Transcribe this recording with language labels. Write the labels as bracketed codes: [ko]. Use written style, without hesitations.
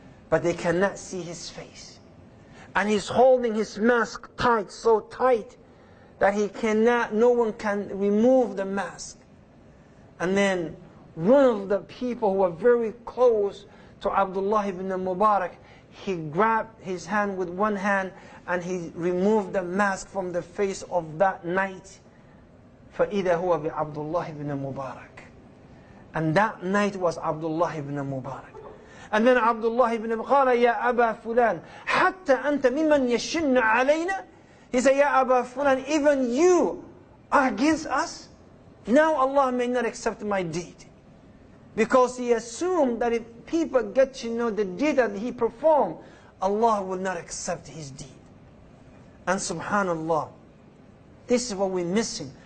[en] But they cannot see his face. And he's holding his mask tight, so tight, that no one can remove the mask. And then One of the people who were very close to Abdullah ibn Mubarak, he grabbed his hand with one hand and he removed the mask from the face of that knight. [ar] فَإِذَا هُوَ بِعَبْدُ اللَّهِ ibn Mubarak. [en] And that knight was Abdullah ibn Mubarak. And then [ar] Abdullah ibn Mubarak قَالَ يَا أَبَا فُلَانَ حَتَّى أَنْتَ مِمَّنْ يَشِنَّ عَلَيْنَا. [en] He said, "Ya Abu Fulan, even you are against us? Now Allah may not accept my deed." Because he assumed that if people get to know the deed that he performed, Allah will not accept his deed. And subhanAllah, this is what we're missing.